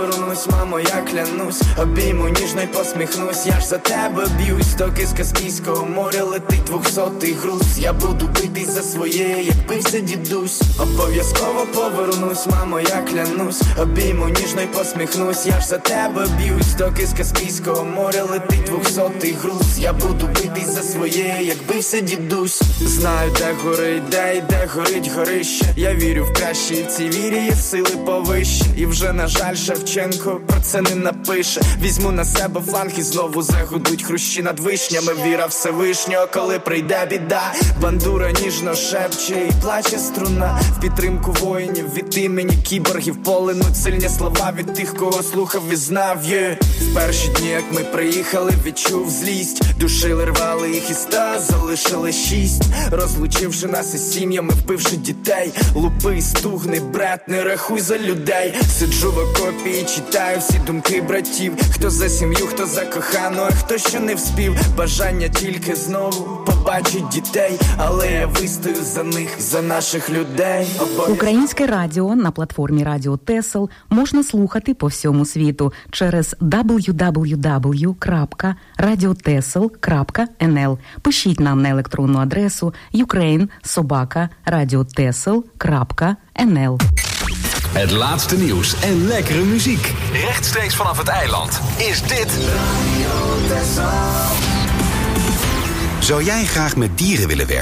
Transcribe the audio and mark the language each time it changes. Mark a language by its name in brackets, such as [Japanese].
[Ukrainian] Ось, мамо, я клянусь, обійму ніжно й посміхнусь. Я ж за тебе б'юсь, доки з Каспійського моря летить 200-й груз. Я буду битись за своє, як бився дідусь. Обов'язково повернусь, мамо, я клянусь, обійму ніжно й посміхнусь. Я ж за тебе б'юсь, доки з Каспійського моря летить 200-й груз. Я буду битись за своє, як бився дідусь. Знаю, де горить день, де горить горище. Я вірю в краще, в цій вірі є сили повище. І вже, на жаль, Шевченко про це не напише. Візьму на себе фланг і знову загудуть хрущі над вишнями. Віра Всевишнього, коли прийде біда. Бандура ніжно шепче і плаче струна. В підтримку воїнів від імені кіборгів полинуть сильні слова від тих, кого слухав і знав. В перші дні, як ми приїхали, відчув злість. Душили, рвали їх і ста, залишили шість. Розлучивши нас із сім'ями, вбивши дітей. Лупи, стугни, бред, не рахуй за людей. Сиджу в окопі і читаю всі думки братів. Хто за сім'ю, хто за кохану, а хто ще не вспів. Бажання тільки знову побачить дітей. Але я вистою за них, за наших людей. Українське радіо на платформі Радіо Тесел можна слухати по всьому світу через www.radiotesel.nl. Пишіть нам на електронну адресу ukraine@radiotesel.nl. [Dutch] Het laatste nieuws en lekkere muziek. Rechtstreeks vanaf het eiland is dit Radio Tesel. Zou jij graag met dieren willen werken?